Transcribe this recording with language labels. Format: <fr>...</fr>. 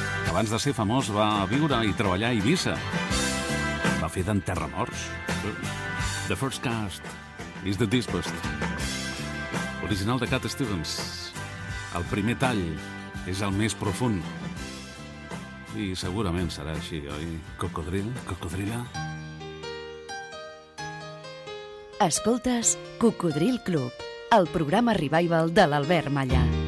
<ca>Abans de ser famós va viure i treballar a Eivissa. Va fer d'enterramorts.</ca> <en>The first cast is the deepest.</en> <ca>Original de Cat Stevens. El primer tall és el més profund. I segurament serà així, oi? Cocodril, cocodrila. Escoltes Cocodril Club, el programa Revival de l'Albert Mallà.</ca>